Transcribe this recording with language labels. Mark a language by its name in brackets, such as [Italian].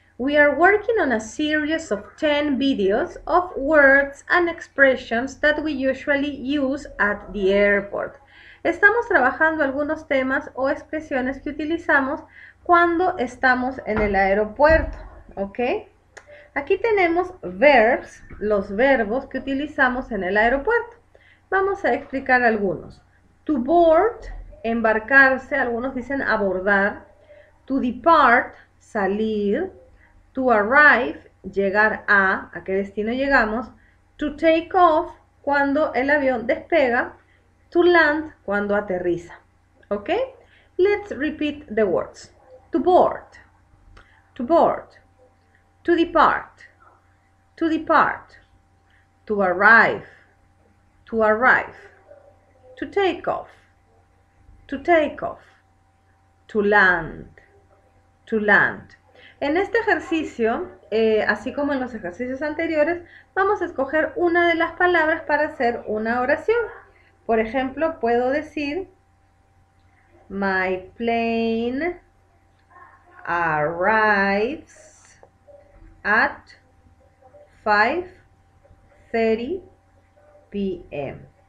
[English] We are working on a series of 10 videos of words and expressions that we usually use at the airport. [Spanish] Estamos trabajando algunos temas o expresiones que utilizamos cuando estamos en el aeropuerto, ¿ok? Aquí tenemos verbs, los verbos que utilizamos en el aeropuerto. Vamos a explicar algunos. [English] To board, [Spanish] embarcarse, algunos dicen abordar. [English] To depart, [Spanish] salir. [English] To arrive, [Spanish] llegar a qué destino llegamos. [English] To take off, [Spanish] cuando el avión despega. [English] To land, [Spanish] cuando aterriza. [English] ¿Ok? Let's repeat the words. To board. To board. To depart. To depart. To arrive. To arrive. To take off. To take off, to land, to land. [Spanish] En este ejercicio, así como en los ejercicios anteriores, vamos a escoger una de las palabras para hacer una oración. Por ejemplo, puedo decir, [English] my plane arrives at 5:30 p.m.